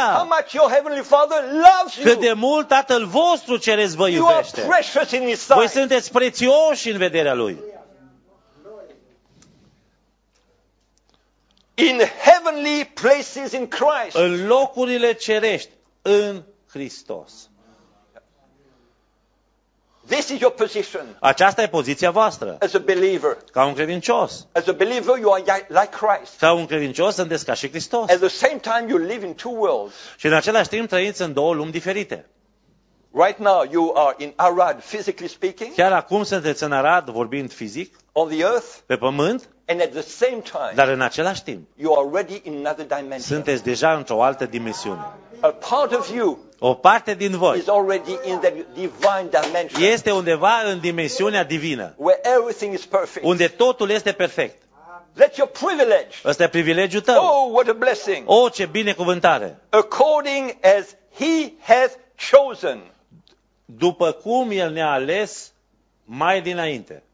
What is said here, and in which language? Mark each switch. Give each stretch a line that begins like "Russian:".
English: How much your heavenly Father loves you.
Romanian: Cât de mult Tatăl vostru ceresc vă iubește.
English: You are precious in his sight.
Romanian: Voi sunteți prețioși în vederea lui.
English: In heavenly places in Christ.
Romanian: În locurile cerești în Hristos.
English: This is your position.
Romanian: Aceasta e poziția voastră.
English: As a believer.
Romanian: Ca un credincios.
English: As a believer, you are like Christ.
Romanian: Ca un credincios, sunteți ca și Hristos.
English: At the same time, you live in two worlds.
Romanian: Și în același timp trăiți în două lumi diferite.
English: Right now, you are in Arad, physically speaking.
Romanian: Chiar acum sunteți în Arad, vorbind fizic.
English: On the earth.
Romanian: Pe pământ.
English: And at the same time,
Romanian: dar în același timp,
English: you are already in another dimension.
Romanian: Sunteți deja într-o altă dimensiune.
English: A part of you,
Romanian: o parte din voi,
English: is already in the divine dimension.
Romanian: Este undeva în dimensiunea divină,
English: where everything is perfect.
Romanian: Unde totul este perfect.
English: That's your privilege.
Romanian: Ăsta e privilegiul tău.
English: Oh, what a blessing.
Romanian: Oh, ce binecuvântare.
English: According as he has chosen.
Romanian: După cum el ne-a ales mai dinainte.